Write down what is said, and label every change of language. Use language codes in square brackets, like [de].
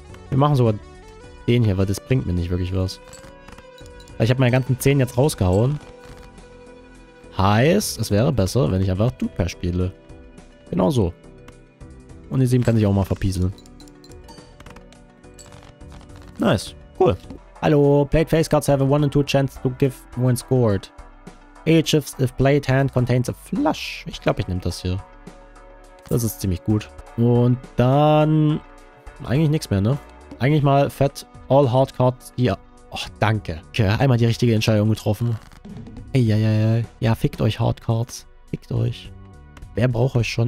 [de] Wir machen sogar den hier, weil das bringt mir nicht wirklich was. Ich habe meine ganzen 10 jetzt rausgehauen. Heißt, es wäre besser, wenn ich einfach Duper spiele. Genau so. Und die 7 kann sich auch mal verpieseln. [en] Nice. Cool. Hallo. Played face cards have a 1 in 2 chance to give when scored. Age if played hand contains a flush. [de] Ich glaube, ich nehme das hier. Das ist ziemlich gut. Und dann... Eigentlich nichts mehr, ne? Eigentlich mal fett all hard cards hier. Och, danke. Okay, einmal die richtige Entscheidung getroffen. Ja, fickt euch, Hardcards. Fickt euch. Wer braucht euch schon?